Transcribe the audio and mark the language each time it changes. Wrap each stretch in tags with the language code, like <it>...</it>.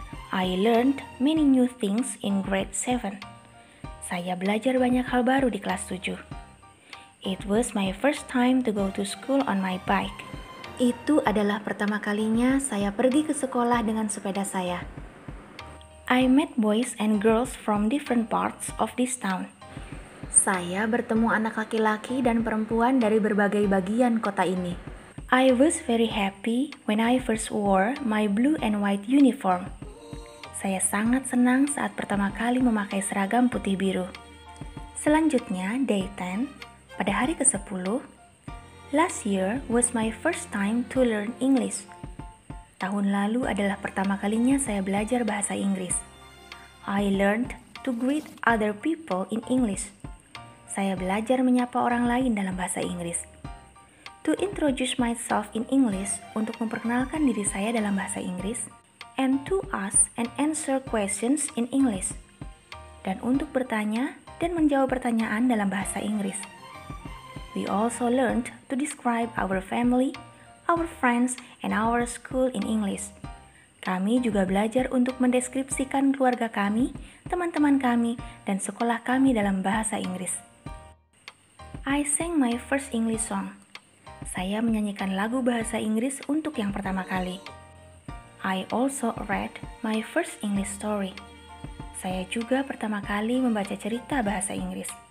<en>I learned many new things in grade 7.</en> <id>Saya belajar banyak hal baru di kelas 7.</id> <en>It was my first time to go to school on my bike.</en> <id>Itu adalah pertama kalinya saya pergi ke sekolah dengan sepeda saya.</id> <en>I met boys and girls from different parts of this town.</en> <id>Saya bertemu anak laki-laki dan perempuan dari berbagai bagian kota ini.</id> <en>I was very happy when I first wore my blue and white uniform.</en> <id>Saya sangat senang saat pertama kali memakai seragam putih biru. Selanjutnya,</id> <en>day 10,</en> <id>pada hari ke-10,</id> <en>last year was my first time to learn English.</en> <id>Tahun lalu adalah pertama kalinya saya belajar bahasa Inggris.</id> <en>I learned to greet other people in English.</en> <id>Saya belajar menyapa orang lain dalam bahasa Inggris.</id> <en>To introduce myself in English,</en> <id>untuk memperkenalkan diri saya dalam bahasa Inggris.</id> <en>And to ask and answer questions in English.</en> <id>Dan untuk bertanya dan menjawab pertanyaan dalam bahasa Inggris.</id> <en>We also learned to describe our family, our friends, and our school in English.</en> <id>Kami juga belajar untuk mendeskripsikan keluarga kami, teman-teman kami, dan sekolah kami dalam bahasa Inggris.</id> <en>I sang my first English song.</en> <id>Saya menyanyikan lagu bahasa Inggris untuk yang pertama kali.</id> <en>I also read my first English story.</en> <id>Saya juga pertama kali membaca cerita bahasa Inggris.</id>